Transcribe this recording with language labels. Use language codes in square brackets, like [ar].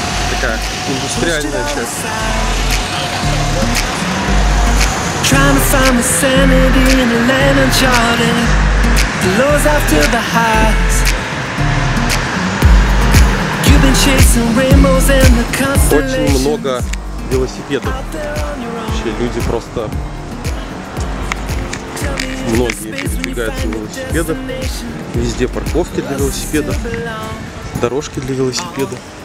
[ru] Такая индустриальная часть. [en] Trying to find my sanity in the land of Jordan. The lows after the highs. You've been chasing rainbows and the constellations. [ru] Очень много велосипедов. Вообще люди просто многие передвигаются на велосипедах. Везде парковки для велосипедов, дорожки для велосипедов.